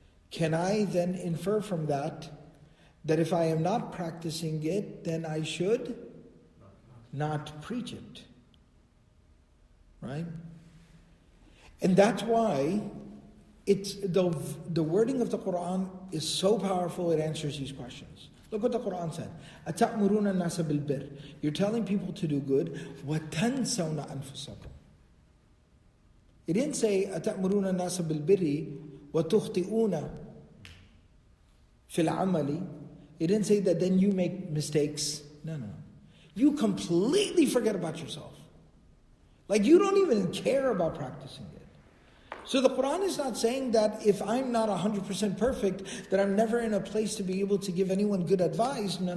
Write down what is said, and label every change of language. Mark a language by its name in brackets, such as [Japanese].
[English] Can I then infer from that if I am not practicing it, then I should not preach it? Right? And that's why the wording of the Quran is so powerful, it answers these questions. Look what the Quran said. [Arabic] أَتَأْمُرُونَ النَّاسَ بِالْبِرِّ. [English] You're telling people to do good. [Arabic] وَتَنْسَوْنَ أَنفُسَكُمْ. [English] It didn't say [Arabic] أَتَأْمُرُونَ النَّاسَ بِالْبِرِّ وَتُخْطِئُونَ فِي الْعَمَلِ. [English] It didn't say that then you make mistakes. No. You completely forget about yourself. Like you don't even care about practicing it. So the Quran is not saying that if I'm not 100% perfect, that I'm never in a place to be able to give anyone good advice. No.